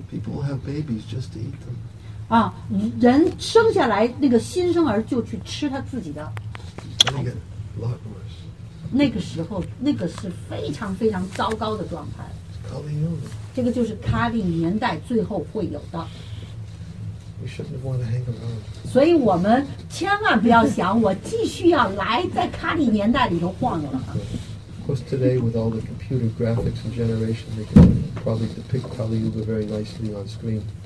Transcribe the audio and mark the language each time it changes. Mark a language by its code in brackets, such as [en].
[en] People have babies just to eat them. [zh] 啊，人生下来那个新生儿就去吃他自己的。 [en] It's going to get a lot worse. [zh] 那个时候那个是非常非常糟糕的状态。 [en] It's Kali Yuga. [zh] 这个就是Kali年代最后会有的。 [en] We shouldn't want to hang around. Of course, today with all the computer graphics and generation, they can probably depict Kali Yuga very nicely on screen.